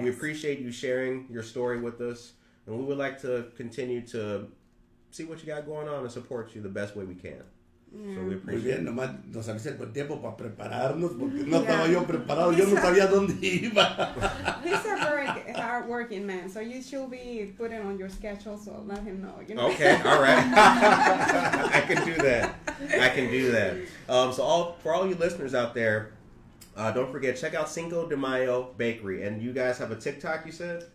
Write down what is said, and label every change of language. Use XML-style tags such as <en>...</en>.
<en>We appreciate you sharing your story with us. And we would like to continue to see what you got going on and support you the best way we can. Yeah. So we appreciate it.</en> <es>Nomás nos avisa el tiempo para prepararnos porque no estaba yo preparado. Yo no sabía dónde iba.</es> <en>He's a very hardworking man. So you should be putting on your schedule, so let him know. You know? Okay, all right. I can do that. For all you listeners out there, don't forget, check out Cinco de Mayo Bakery. And you guys have a TikTok, you said?</en>